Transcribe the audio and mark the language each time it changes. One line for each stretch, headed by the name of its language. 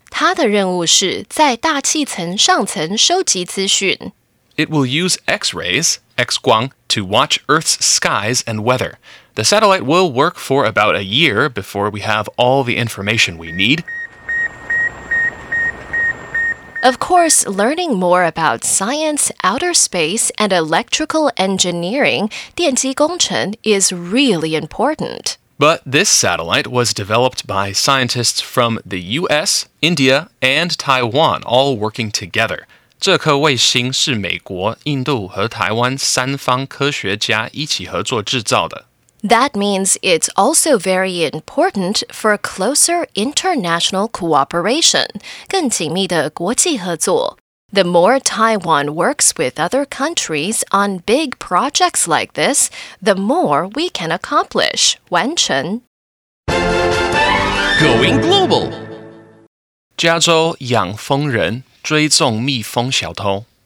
Chinese: 它的任务是在大气层上层收集资讯。
English: It will use X-rays, X-光, to watch Earth's skies and weather. The satellite will work for about a year before we have all the information we need. Of course, learning more about science, outer space, and electrical engineering, 电机工程, is really important. But this satellite was developed by scientists from the U.S., India, and Taiwan, all working together.
Chinese: 这颗卫星是美国、印度和台湾三方科学家一起合作制造的。
English: That means it's also very important for closer international cooperation,
Chinese: 更紧密的国际合作。
English: The more Taiwan works with other countries on big projects like this, the more we can accomplish, 完成。 Going global!
Chinese: 加州养蜂人追踪蜜蜂小偷。